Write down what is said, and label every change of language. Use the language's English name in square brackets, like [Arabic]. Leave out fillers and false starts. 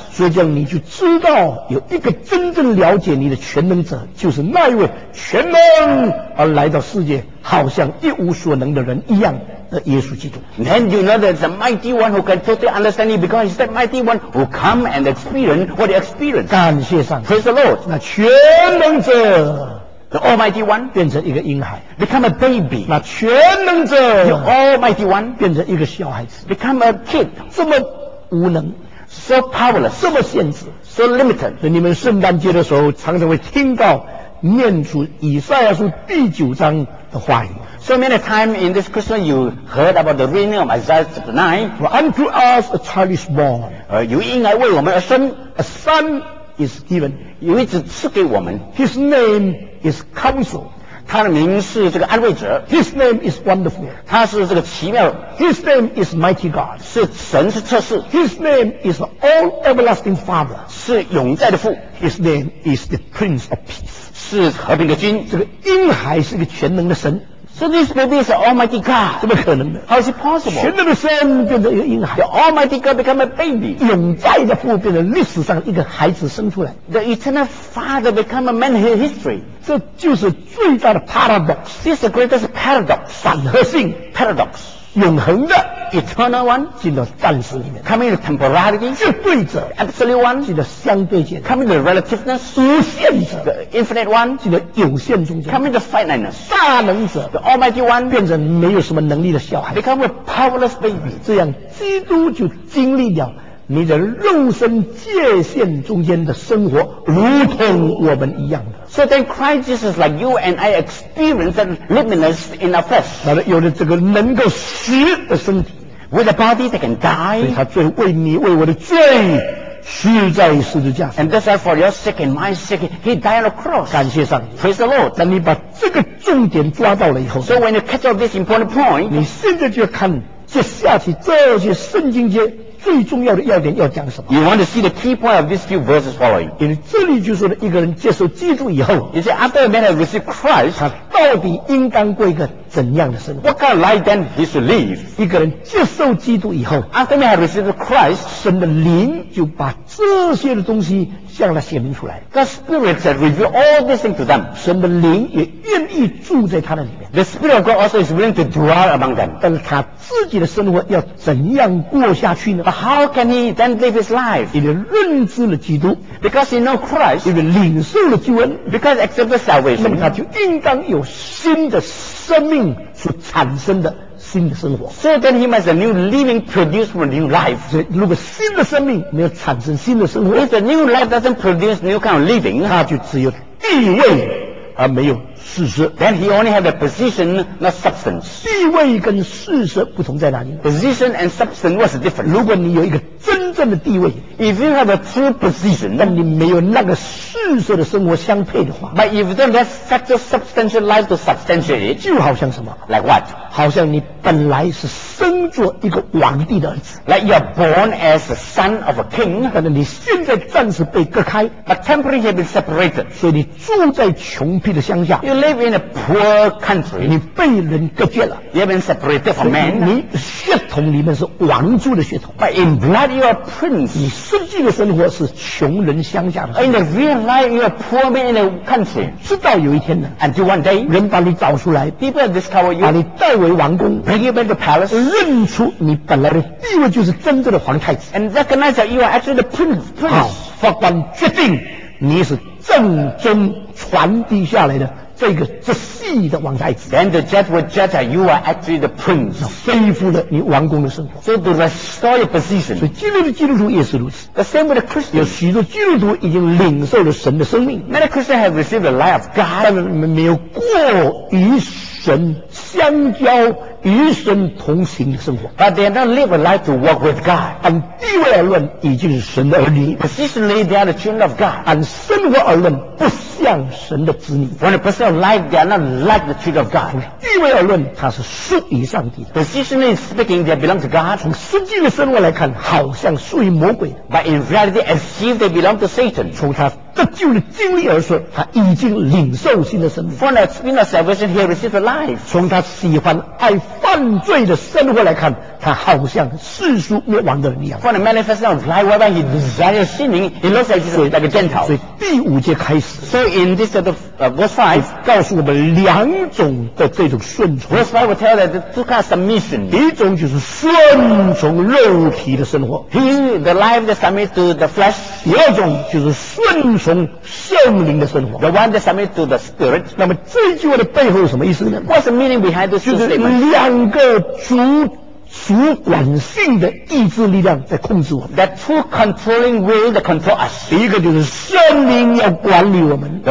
[Chinese] 所以这样你就知道有一个真正了解你的全能者，就是那一位全能而来到世界，好像一无所能的人一样的耶稣基督。 [English] Then you know that the mighty one who can totally understand you because he's that mighty one who come and experience what he experienced. [Chinese] 感谢上帝。 [English] Praise the Lord. [Chinese] 那全能者。 [English] The Almighty One [Chinese] 变成一个婴孩 [English] ，become a baby。 [Chinese] 那全能者 [English] ，The Almighty One [Chinese] 变成一个小孩子 [English] ，become a kid。 [Chinese] 这么无能 [English] ，so powerless， [Chinese] 这么限制 [English] ，so limited。 [Chinese] 所以你们圣诞节的时候常常会听到念出以赛亚书第九章的话语。 [English] So many times in this Christmas you heard about the reading of Isaiah chapter 9。 For unto us a child is born。 [Chinese] 有婴孩为我们而生 [English] ，a son is given。 [Chinese] 有一子赐给我们 [English] ，his name。 Is counsel. [Chinese] 他的名是这个安慰者。 [English] His name is wonderful. [Chinese] 他是这个奇妙。 [English] His name is mighty God. [Chinese] 是神是测试。 [English] His name is all everlasting father. [Chinese] 是永在的父。 [English] His name is the prince of peace. [Chinese] 是和平的君。这个婴孩是个全能的神。 [English] So this baby is Almighty God. [Chinese] 怎么可能的？ [English] How is it possible? [Chinese] 全能的神变成一个婴孩。 [English] The Almighty God become a baby. [Chinese] 永在的父变成历史上一个孩子生出来。 [English] The eternal father become a man in history. [Chinese] 这就是最大的 paradox. [English] This is the greatest paradox. [Chinese] 反合性 [English] paradox. [Chinese] 永恒的 [English] eternal one [Chinese] 进到暂时里面 [English] ，coming into temporality [Chinese] 绝对者 [English] absolute one [Chinese] 进到相对界 [English] ，coming into relativeness [Chinese] 无限者 [English] ，the infinite one [Chinese] 进到有限中间 [English] ，coming into finiteness [Chinese] 大能者 [English] ，the almighty one [Chinese] 变成没有什么能力的小孩 [English] ，become a powerless baby。 [Chinese] 这样，基督就经历了你的肉身界限中间的生活，如同我们一样的。 [English] So then Christ Jesus like you and I experience that limitless in our flesh. [Chinese] 那有了这个能够死的身体 [English] ，with a body that can die. [Chinese] 所以他最为你为我的罪死在十字架上。 [English] And that's why for your sake and my sake, he died on the cross. [Chinese] 感谢上帝 [English] ，Praise the Lord. [Chinese] 当你把这个重点抓到了以后 [English] ，So when you catch up this important point, [Chinese] 你现在就要看接下去这些圣经节。最重要的要点要讲什么 [English] ？You want to see the key point of these few verses following. [Chinese] 因为这里就说了一个人接受基督以后 [English] ，You see, after a man has received Christ, [Chinese] 他到底应当过一个怎样的生活 [English] ？What kind of life then he should live? [Chinese] 一个人接受基督以后 [English] ，After a man has received Christ, [Chinese] 神的灵就把这些的东西向他显明出来。 [English] The Spirit has revealed all these things to them. [Chinese] 神的灵也愿意住在他的里面。 [English] The Spirit of God also is willing to dwell among them. [Chinese] 但是他自己的生活要怎样过下去呢？ [English] How can he then live his life? [Chinese] 因为认知了基督 [English] Because he knows Christ [Chinese] 因为领受了救恩 [English] Because accepted salvation [Chinese] 那么他就应当有新的生命所产生的新的生活 [English] So then he must a new living produce from a new life [Chinese] 所以如果新的生命没有产生新的生活 [English] If the new life doesn't produce new kind of living [Chinese] 他就只有地位而没有事实 [English] Then he only have a position, not substance. [Chinese] 地位跟事实不同在哪里 [English] Position and substance was different. [Chinese] 如果你有一个真正的地位 [English] If you have a true position, [Chinese] 但你没有那个事实的生活相配的话 [English] But if you don't have such a substantial life to substantiate, [Chinese] 就好像什么 [English] Like what? [Chinese] 好像你本来是生作一个王帝的儿子 [English] Like you are born as a son of a king, [Chinese] 但是你现在暂时被隔开 [English] But temporarily have been separated. [Chinese] 所以你住在穷僻的乡下 [English] You live in a poor country. [Chinese] 你被人隔绝了。 [English] You have been separated from man. [Chinese] 你血统里面是王族的血统。 [English] But in blood you are prince. [Chinese] 你实际的生活是穷人乡下的。 [English] In the real life you are poor man in a country. [Chinese] 直到有一天呢 [English] ，Until one day, [Chinese] 人把你找出来 [English] ，People have discovered you. [Chinese] 把你带为王宫 [English] ，Bring you back to the palace. [Chinese] 认出你本来的地位就是真正的皇太子。 [English] And recognize that you are actually the prince. [Chinese] 好，法官决定你是正宗传递下来的。这个这细的王太子 [English] Then the judge will judge that you are actually the prince [Chinese] 恢复了你王宫的生活 [English] So to restore your position [Chinese] 所以今天的基督徒也是如此 [English] The same with the Christian [Chinese] 有许多基督徒已经领受了神的生命 [English] Many Christians have received the life of God [Chinese] 但是没有过于神相交与神同行的生活 [English] But they have not lived a life to walk with God [Chinese] 按地位而论已经是神的儿女 [English] Positionally they are the children of God [Chinese] 按生活而论不像神的子女 [English] When a person of life they are not like the children of God [Chinese] 从地位而论他是属于上帝的 [English] Positionally speaking they belong to God [Chinese] 从实际的生活来看好像属于魔鬼的 [English] But in reality as if they belong to Satan [Chinese] 从他得救的经历而说他已经领受新的生命 [English] From the experience of salvation he received a life [Chinese] 从他喜欢爱犯罪的生活来看他好像世俗灭亡的人一样 [English] From the manifestation of life whereby he desires sinning he looks like he's like a Gentile [Chinese] 所以第五节开始 [English] So in this set of verse 5 [Chinese] 告诉我们两种的这种顺从 [English] Verse 5 will tell that two kinds of submission [Chinese] 第一种就是顺从肉体的生活 [English] He the life that submits to the flesh [Chinese] 第二种就是顺从圣灵的生活 [English] The one that submits to the spirit [Chinese] 那么这句话的背后是什么意思呢 [English] What's the meaning behind this statement [Chinese] 就是两个主管性的意志力量在控制我们 [English] That two controlling will that control us [Chinese] 第一个就是圣灵要管理我们